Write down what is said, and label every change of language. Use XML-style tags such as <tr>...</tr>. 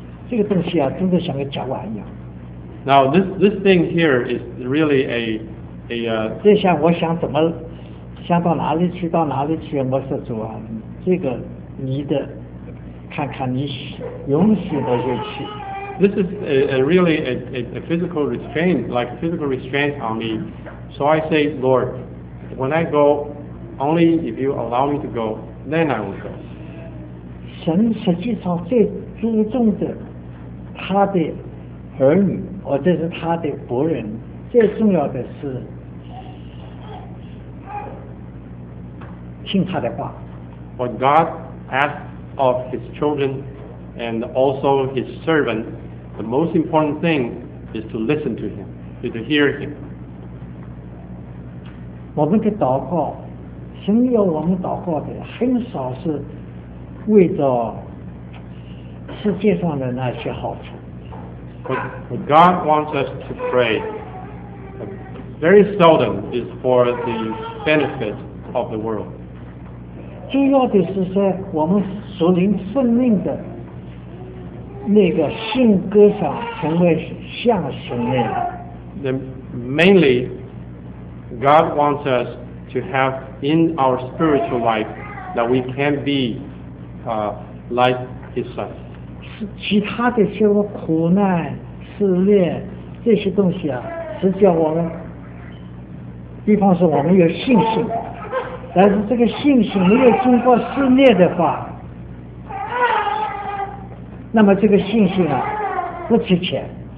<zh>这个东西啊，真的像个夹娃一样。</zh> <en>Now this thing here is really a</en> <zh>这下我想怎么？想到哪里去到哪里去，我说主啊，这个你的看看你允许我就去。</zh> <en>This is a really a physical restraint, like physical restraint on me. So I say, Lord, when I go, only if you allow me to go, then I will go.</en> <zh>神实际上最注重的他的儿女，或者是他的仆人，最重要的是听他的话。</zh> <en>What God asks of His children and also His servant, the most important thing is to listen to Him, is to hear Him.</en> <zh>我们的祷告，神要我们祷告的很少是为着世界上的那些好处。</zh> <en>What God wants us to pray, very seldom is for the benefit of the world.</en> <zh>主要的是说我们属灵生命的那个性格上成为像神那样。</zh> <en>Then mainly, God wants us to have in our spiritual life that we can be, like His Son.</en> <zh>其他的什么苦难、试炼这些东西啊，是叫我们，比方说我们有信心。但是这个信心没有经过试炼的话，那么这个信心啊，不值钱。</zh>